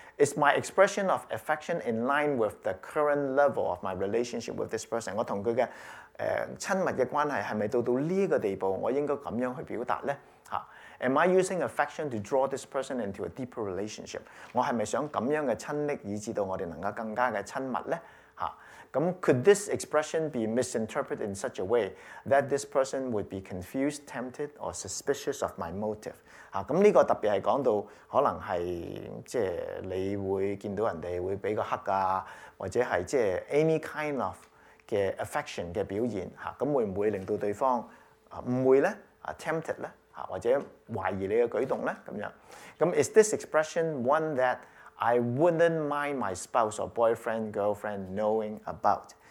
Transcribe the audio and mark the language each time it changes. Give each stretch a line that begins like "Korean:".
English: Is my expression of affection in line with the current level of my relationship with this person？
Cantonese: 我同佢嘅親密嘅關係係咪到呢個地步？我應該咁樣去表達咧嚇
English: ？Am I using affection to draw this person into a deeper relationship？
Cantonese: 我係咪想咁樣嘅親暱，以致到我哋能夠更加嘅親密咧嚇？
English: 咁 could this expression be misinterpreted in such a way that this person would be confused, tempted, or suspicious of my motive？
Cantonese: 啊，咁呢個特別係講到可能係即係你會見到人哋會俾個黑啊，或者係即係
English: any kind of
Cantonese: 嘅 affection 嘅表現嚇，咁會唔會令到對方誤會咧？啊 ，tempted 咧？啊，或者懷疑你嘅舉動咧？咁樣，咁
English: is this expression one that I wouldn't mind my spouse or boyfriend, girlfriend knowing about？